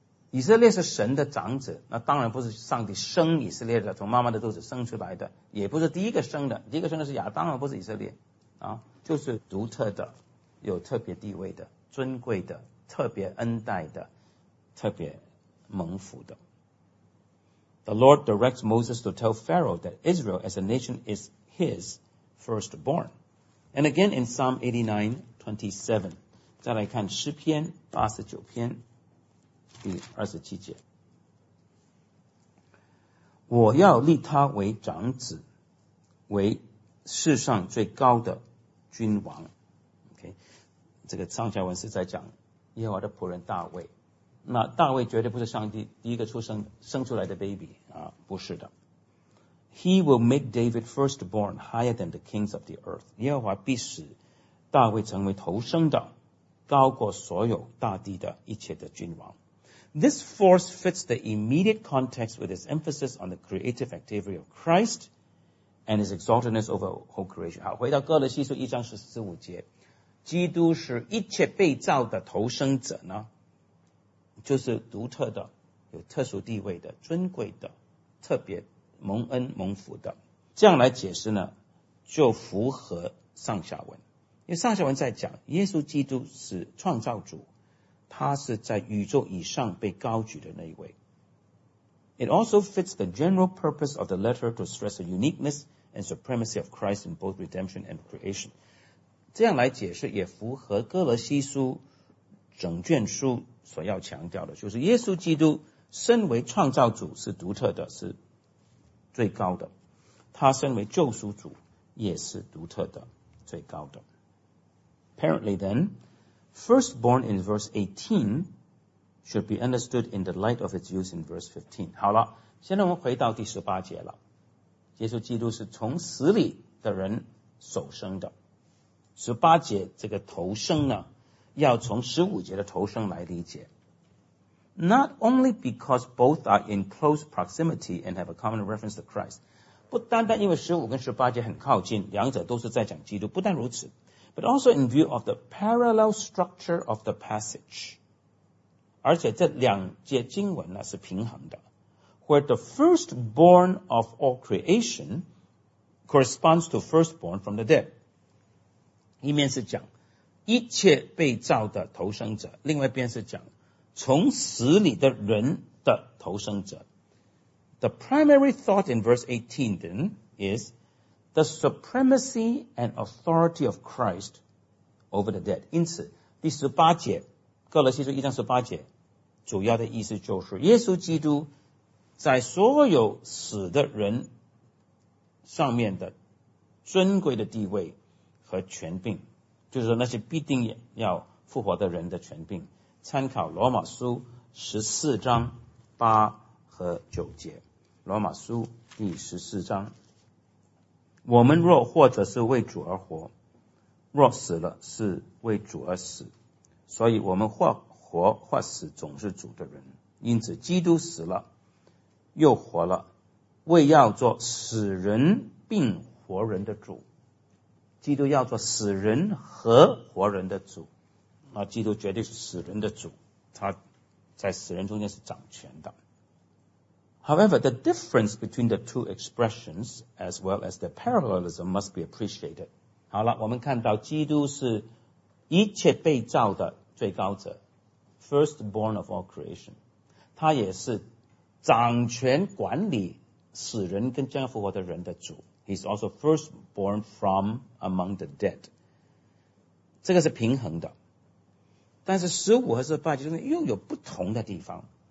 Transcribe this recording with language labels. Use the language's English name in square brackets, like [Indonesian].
[Chinese] 以色列是神的长子，那当然不是上帝生以色列的，从妈妈的肚子生出来的，也不是第一个生的，第一个生的是亚当，而不是以色列啊，就是独特的，有特别地位的，尊贵的，特别恩待的，特别蒙福的。 [English] The Lord directs Moses to tell Pharaoh that Israel as a nation is his firstborn. And again in Psalm 89:27, [Chinese] 再来看诗篇八十九篇第二十七节，我要立他为长子，为世上最高的君王。 OK, 这个上下文是在讲耶和华的仆人大卫。那大卫绝对不是上帝第一个生出来的 baby 啊，不是的。 [English] He will make David firstborn higher than the kings of the earth. [Chinese] 耶和华必使大卫成为头生的，高过所有大地的一切的君王。 [English] This force fits the immediate context with its emphasis on the creative activity of Christ and his exaltedness over whole creation. [Chinese] 好，回到哥罗西书一章十四五节，基督是一切被造的头生者呢，就是独特的，有特殊地位的，尊贵的，特别蒙恩蒙福的。这样来解释呢，就符合上下文，因为上下文在讲耶稣基督是创造主，他是在宇宙以上被高举的那一位。 [English] It also fits the general purpose of the letter to stress the uniqueness and supremacy of Christ in both redemption and creation. [Chinese] 这样来解释也符合哥罗西书整卷书所要强调的，就是耶稣基督身为创造主是独特的，是最高的，他身为救赎主也是独特的，最高的。 [English] Apparently then, firstborn in verse 18 should be understood in the light of its use in verse 15. [Chinese] 好了，现在我们回到第十八节了。耶稣基督是从死里的人首生的，十八节这个头生呢，要从十五节的头生来理解。 [English] Not only because both are in close proximity and have a common reference to Christ. [Chinese] 不单单因为15跟18节很靠近，两者都是在讲基督，不但如此， [English] but also in view of the parallel structure of the passage. [Chinese] 而且这两节经文呢是平衡的。 [English] where the firstborn of all creation corresponds to firstborn from the dead. [Chinese] 一面是讲一切被造的投生者，另外一边是讲从死里的人的投生者。 [English] The primary thought in verse 18 then is the supremacy and authority of Christ over the dead. [Chinese] 因此第十八节哥罗西书一章十八节主要的意思就是耶稣基督在所有死的人上面的尊贵的地位和权柄，就是说那些必定要复活的人的权柄。参考罗马书十四章八和九节，罗马书第十四章，我们若或者是为主而活，若死了是为主而死，所以我们或活或死总是主的人。因此基督死了又活了，为要做死人并活人的主。基督要做死人和活人的主，那基督绝对是死人的主，他在死人中间是掌权的。 [English] However, the difference between the two expressions as well as the parallelism must be appreciated. [Chinese] 好了，我们看到基督是一切被造的最高者， [English] firstborn of all creation. [Chinese] 他也是掌权管理死人跟将要复活的人的主。 [English] He's also firstborn from among the dead. [Chinese] 这个是平衡的。但是十五和十八节又有不同的地方。